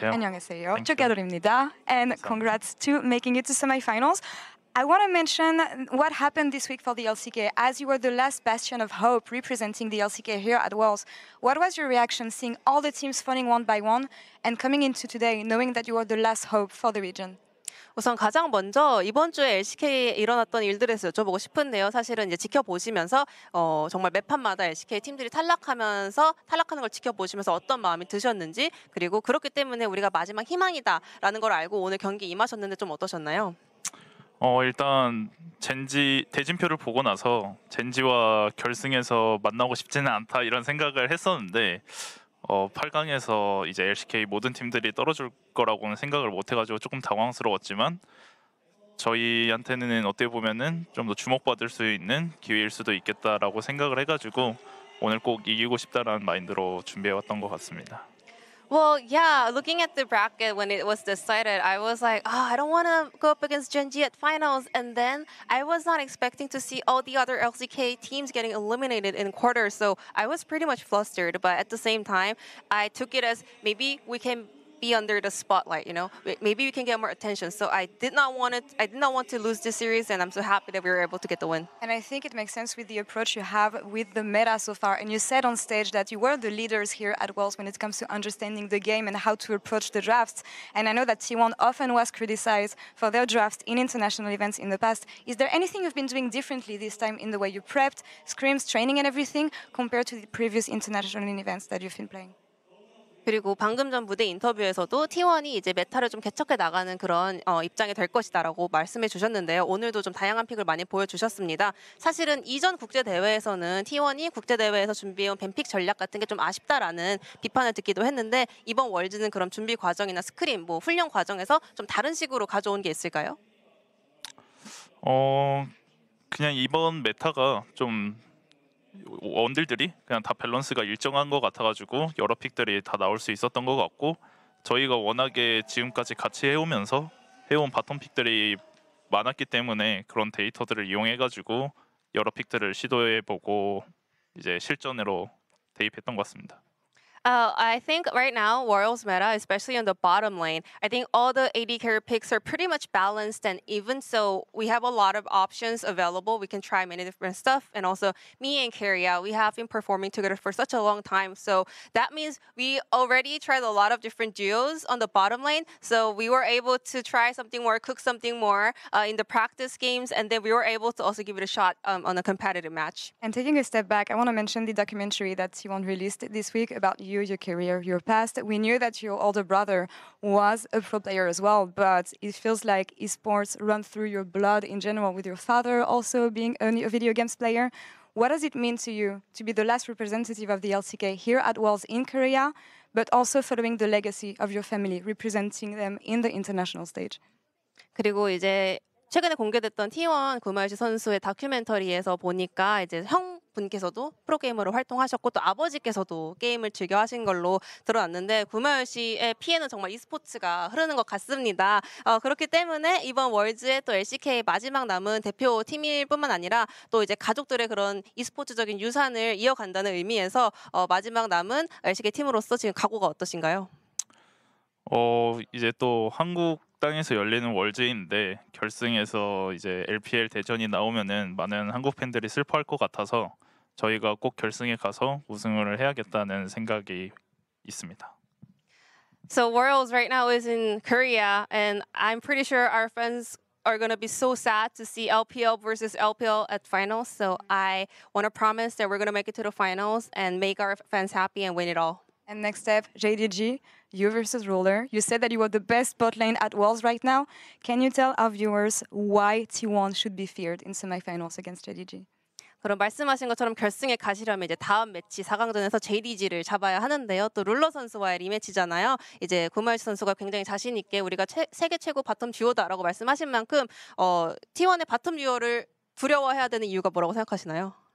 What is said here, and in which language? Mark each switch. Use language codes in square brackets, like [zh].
[ko] 안녕하세요. 축하드립니다. [en] And congrats to making it to semifinals. I want to mention what happened this week for the LCK. As you were the last bastion of hope representing the LCK here at Worlds, what was your reaction seeing all the teams falling one by one and coming into today knowing that you were the last hope for the region? [ko] 우선 가장 먼저 이번 주에 LCK에 일어났던 일들에 대해서 여쭤보고 싶은데요. 사실은 이제 지켜보시면서 정말 매 판마다 LCK 팀들이 탈락하면서 탈락하는 걸 지켜보시면서 어떤 마음이 드셨는지 그리고 그렇기 때문에 우리가 마지막 희망이다라는 걸 알고 오늘 경기 임하셨는데 좀 어떠셨나요? 일단 젠지 대진표를 보고 나서 젠지와 결승에서 만나고 싶지는 않다 이런 생각을 했었는데 8강에서 이제 LCK 모든 팀들이 떨어질 거라고는 생각을 못해가지고 조금 당황스러웠지만 저희한테는 어떻게 보면은 좀 더 주목받을 수 있는 기회일 수도 있겠다라고 생각을 해가지고 오늘 꼭 이기고 싶다라는 마인드로 준비해왔던 것 같습니다. [en] Well, yeah, looking at the bracket when it was decided, I was like, oh, I don't want to go up against Gen G at finals. And then I was not expecting to see all the other LCK teams getting eliminated in quarters. So I was pretty much flustered. But at the same time, I took it as maybe we can be under the spotlight, you know, maybe we can get more attention. So I did not want to lose this series. And I'm so happy that we were able to get the win. And I think it makes sense with the approach you have with the meta so far. And you said on stage that you were the leaders here at Worlds when it comes to understanding the game and how to approach the drafts. And I know that T1 often was criticized for their drafts in international events in the past. Is there anything you've been doing differently this time in the way you prepped, scrims, training and everything compared to the previous international events that you've been playing? [ko] 그리고 방금 전 무대 인터뷰에서도 T1이 이제 메타를 좀 개척해 나가는 그런 입장이 될 것이다 라고 말씀해 주셨는데요. 오늘도 좀 다양한 픽을 많이 보여주셨습니다. 사실은 이전 국제대회에서는 T1이 국제대회에서 준비해온 밴픽 전략 같은 게 좀 아쉽다라는 비판을 듣기도 했는데 이번 월드는 그럼 준비 과정이나 스크림, 뭐 훈련 과정에서 좀 다른 식으로 가져온 게 있을까요? 그냥 이번 메타가 좀 원딜들이 그냥 다 밸런스가 일정한 것 같아가지고 여러 픽들이 다 나올 수 있었던 것 같고 저희가 워낙에 지금까지 같이 해온 바텀 픽들이 많았기 때문에 그런 데이터들을 이용해가지고 여러 픽들을 시도해보고 이제 실전으로 대입했던 것 같습니다. [en] I think right now, Worlds meta, especially on the bottom lane, I think all the AD carry picks are pretty much balanced. And even so, we have a lot of options available. We can try many different stuff. And also, me and Keria, we have been performing together for such a long time. So that means we already tried a lot of different duos on the bottom lane. So we were able to try something more, cook something more in the practice games. And then we were able to also give it a shot on a competitive match. And taking a step back, I want to mention the documentary that T1 released this week about you, your career, your past. We knew that your older brother was a pro player as well, but it feels like esports run through your blood in general, with your father also being a video games player. What does it mean to you to be the last representative of the LCK here at Worlds in Korea, but also following the legacy of your family, representing them in the international stage? [ko] 그리고 이제 최근에 공개됐던 T1 구마유시 선수의 다큐멘터리에서 보니까 이제 분께서도 프로게이머로 활동하셨고 또 아버지께서도 게임을 즐겨 하신 걸로 들어왔는데 구마유 씨의 피에는 정말 e스포츠가 흐르는 것 같습니다. 그렇기 때문에 이번 월즈의 또 LCK의 마지막 남은 대표팀일 뿐만 아니라 또 이제 가족들의 그런 e스포츠적인 유산을 이어간다는 의미에서 마지막 남은 LCK 팀으로서 지금 각오가 어떠신가요? 이제 또 한국 극장에서 열리는 월즈인데 결승에서 이제 LPL 대전이 나오면은 많은 한국 팬들이 슬퍼할 것 같아서 저희가 꼭 결승에 가서 우승을 해야겠다는 생각이 있습니다. [en] So Worlds right now is in Korea, and I'm pretty sure our fans are going to be so sad to see LPL versus LPL at finals. So I want to promise that we're going to make it to the finals and make our fans happy and win it all. And next step, JDG, you versus Roller. You said that you were the best bot lane at Worlds right now. Can you tell our viewers why T1 should be feared in semifinals against JDG? [ko] 그럼 말씀하신 것처럼 결승에 가시려면 이제 다음 매치 4강전에서 JDG를 잡아야 하는데요. 또 룰러 선수와의 리매치잖아요. 이제 구마유시 선수가 굉장히 자신 있게 우리가 세계 최고 바텀 듀오다라고 말씀하신 만큼 T1의 바텀 듀오를 두려워해야 되는 이유가 뭐라고 생각하시나요?